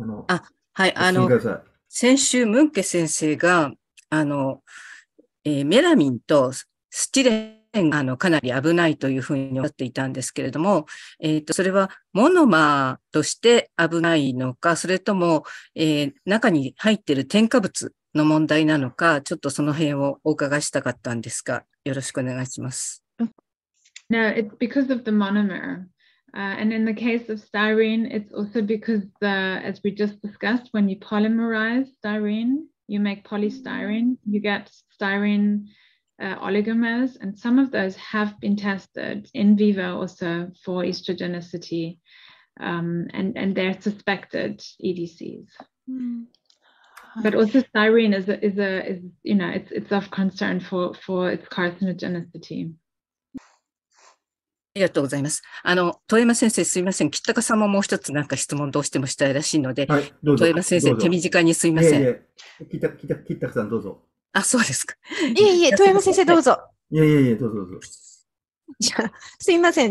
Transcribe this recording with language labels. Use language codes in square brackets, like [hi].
[ja] あ、はい、先週ムンケ先生がメラミンとスチレンがかなり危ないというふうにおっしゃっていたんですけれども、それはモノマーとして危ないのか、それとも、中に入っている添加物の問題なのか、ちょっとその辺をお伺いしたかったんですが、よろしくお願いします。 [en] No, it's because of the monomer. And in the case of styrene, it's also because, as we just discussed, when you polymerize styrene, you make polystyrene, you get styrene, oligomers, and some of those have been tested in vivo also for estrogenicity, and they're suspected EDCs. Mm. But also styrene is you know, it's of concern for its carcinogenicity. [ja] ありがとうございます。富山先生、すみません。北川さんももう一つなんか質問どうしてもしたいらしいので、はい、富山先生、手短にすみません。北川さんどうぞ。あ、そうですか。いえいえ、富山先生どうぞ。いえいえ、どうぞ。じゃあ、すみません。